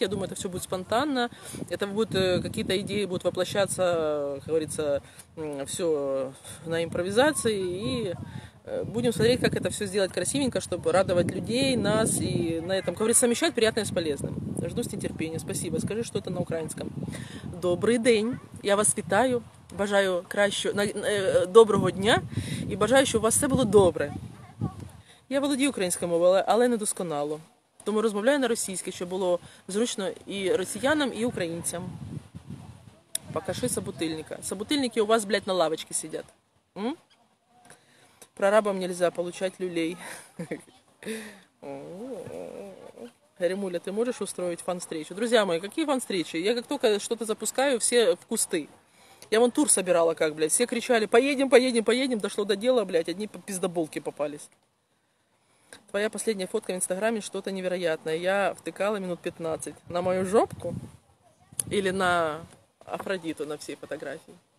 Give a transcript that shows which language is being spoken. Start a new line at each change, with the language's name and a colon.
Russian: Я думаю, это все будет спонтанно. Это будут какие-то идеи будут воплощаться, как говорится, все на импровизации. И будем смотреть, как это все сделать красивенько, чтобы радовать людей, нас и на этом, как говорится, совмещать приятное с полезным. Жду с нетерпением. Спасибо. Скажи что-то на украинском. Добрый день.
Ukrainian: Я вас питаю. Бажаю кращого, доброго дня і бажаю, щоб у вас все було добре. Я володію українською мовою, але не досконало. Тому розмовляю на російській, щоб було зручно і росіянам, і українцям.
Russian: Покажи собутильника. Собутильники у вас, блядь, на лавочці сидять. Прорабам нельзя получать люлей.
Ukrainian: Гаремуля, ти можеш устроїти фан-встречу? Друзі мої, які фан-встречі? Я як тільки щось запускаю, всі в кусти.
Russian: Я вон тур собирала, как, блядь. Все кричали, поедем, поедем, поедем. Дошло до дела, блядь. Одни пиздоболки попались. Твоя последняя фотка в Инстаграме что-то невероятное. Я втыкала минут 15 на мою жопку или на Афродиту на всей фотографии.